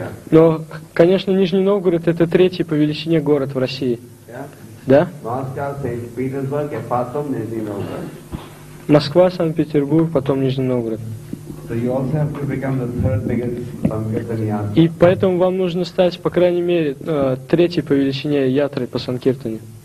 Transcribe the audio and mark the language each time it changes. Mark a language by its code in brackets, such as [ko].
[ru] Но, конечно, Нижний Новгород — это третий по величине город в России. [en] Yeah. [ru] Да? [en] Moscow, Saint-Petersburg, and [ru] потом [en] Нижний Новгород. [ru] Москва, Санкт-Петербург, потом Нижний Новгород. [en] So you also have to become the third biggest Sankirtan Yatra. [ru] И поэтому вам нужно стать, по крайней мере, третьей по величине ятры по Санкиртане.